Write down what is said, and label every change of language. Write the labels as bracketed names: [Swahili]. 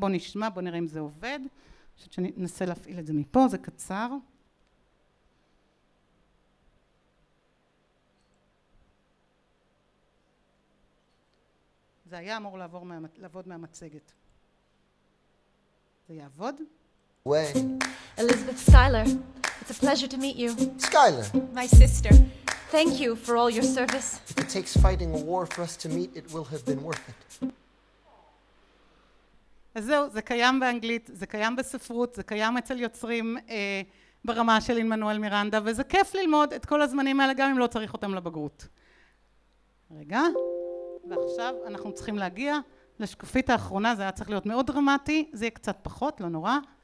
[Hebrew] בוא נשמע, בוא נראה אם זה עובד. אני חושבת שאני אנסה להפעיל את זה מפה, זה קצר. זה היה אמור לעבוד מהמצגת. זה יעבוד? [English] When? Elizabeth Schuyler, it's a pleasure to meet you. Schuyler. My sister. Thank you for all your service. If it takes fighting a war for us to meet, it will have been worth it. [Hebrew] אז זהו, זה קיים באנגלית, זה קיים בספרות, זה קיים אצל יוצרים ברמה של לין-מנואל מירנדה, וזה כיף ללמוד את כל הזמנים האלה גם אם לא צריך אותם לבגרות. רגע. ועכשיו אנחנו צריכים להגיע לשקופית האחרונה, זה היה צריך להיות מאוד דרמטי, זה יהיה קצת פחות, לא נורא.